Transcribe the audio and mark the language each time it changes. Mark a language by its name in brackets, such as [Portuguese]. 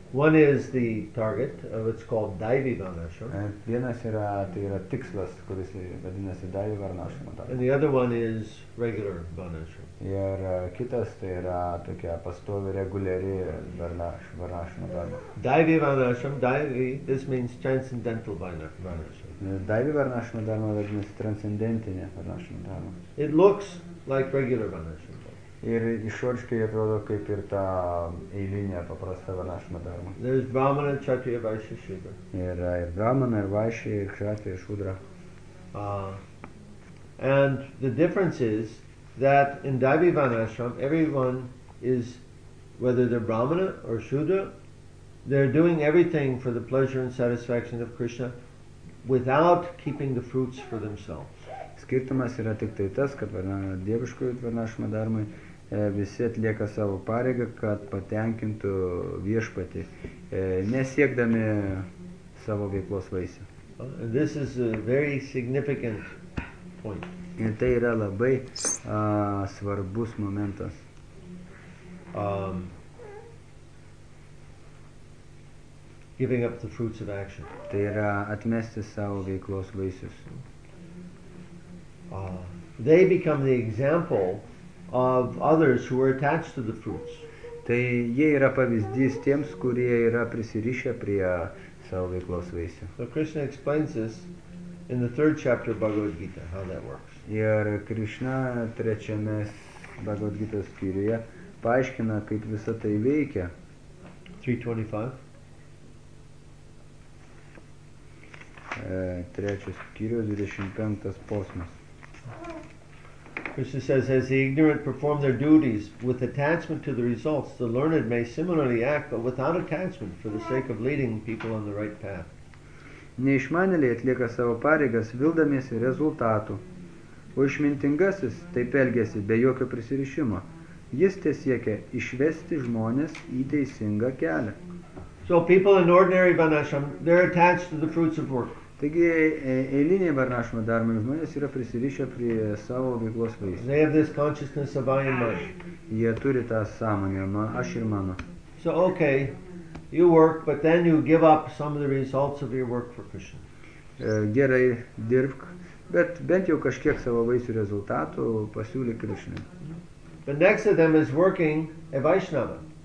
[English] One is the target, it's called Daivi Varnashrama. [Lithuanian] Vienas yra, tai yra tikslas, kuris vadinasi Daivi Varnashrama Dharma. [English] And the other one is regular Varnashrama. [Lithuanian] Ir kitas, tai yra tokia pastovi, reguliari Varnashrama Dharma. [English] Daivi Varnashrama, Daivi, this means transcendental Varnashrama. [Lithuanian] Daivi Varnashrama Dharma vadinasi transcendentinė Varnashrama Dharma. [English] It looks like regular Varnashrama. [Lithuanian] Ir išoriškai atrodo kaip ir ta eilinė paprasta Varnashrama Dharma. [English] There's Brahmana, Kshatriya, Vaishya, Shudra. [Lithuanian] Yra ir Brahmana, ir Vaishya, ir Kshatriya, Shudra. [English] And the difference is that in Daivi Varnashrama, everyone is, whether they're Brahmana or Shudra, they're doing everything for the pleasure and satisfaction of Krishna without keeping the fruits for themselves. [Lithuanian] Skirtumas yra tik tai tas, kad dieviškoj Varnashrama Dharmai visi atlieka savo pareigą, kad patenkintų viešpatį, nesiekdami savo veiklos vaisių. [English] This is a very significant point. [Lithuanian] Ir tai yra labai svarbus momentas. [English] Giving up the fruits of action. [Lithuanian] Tai yra atmesti savo veiklos vaisius. [English] They become the example of others who are attached to the fruits. [Lithuanian] Tai jie yra pavyzdys tiems, kurie yra prisirišę prie savo veiklos vaisių. [English] So Krishna explains this in the third chapter of Bhagavad Gita, how that works. [Lithuanian] Ir Krishna trečiame Bhagavad Gita skyriuje paaiškina, kaip visa tai veikia. [English] 325. [Lithuanian] Trečias skyrius, 25 posmas. [English] Krishna says, as the ignorant perform their duties with attachment to the results, the learned may similarly act, but without attachment, for the sake of leading people on the right path. [Lithuanian] Neišmanėliai atlieka savo pareigas, vildamiesi rezultatų, o išmintingasis taip elgiasi be jokio prisirišimo. Jis tiesiekia išvesti žmonės į teisingą kelią. [English] So people in ordinary Varnashrama, they're attached to the fruits of work. [Lithuanian] Taigi eiliniai Varnashrama Dharma žmonės yra prisirišę prie savo veiklos vaisių. [English] They have this consciousness of I and mine. [Lithuanian] Jie turi tą sąmonę, aš ir mano. [English] So okay, you work, but then you give up some of the results of your work for Krishna. [Lithuanian] Gerai, dirbk, bet bent jau kažkiek savo vaisių rezultatų pasiūlyk Krishnai. [English] But next to them is working a Vaishnava.